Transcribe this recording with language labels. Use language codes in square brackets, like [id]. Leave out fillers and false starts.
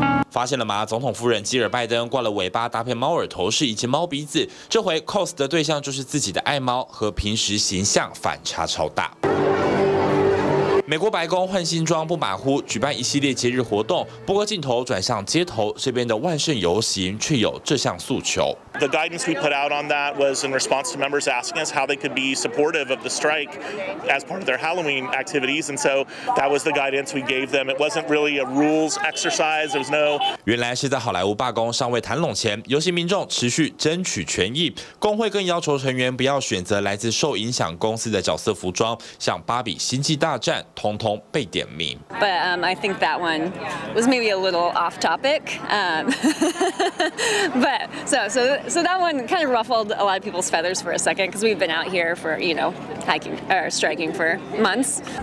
[zh] 发现了吗？总统夫人吉尔拜登挂了尾巴，搭配猫耳头饰以及猫鼻子，这回 cos 的对象就是自己的爱猫，和平时形象反差超大。美国白宫换新装不马虎，举办一系列节日活动，不过镜头转向街头，这边的万圣游行却有这项诉求。 [en] The guidance we put out on that was in response to members asking us how they could be supportive of the strike as part of their Halloween activities, and so that was the guidance we gave them. It wasn't really a rules exercise. There was no. [zh] 原来是在好莱坞罢工尚未谈拢前，游行民众持续争取权益，工会更要求成员不要选择来自受影响公司的角色服装，像芭比、星际大战，通通被点名。 [en] But I think that one was maybe a little off topic. So that one kind of ruffled a lot of people's feathers for a second, because we've been out here for, you know, hiking or striking for months.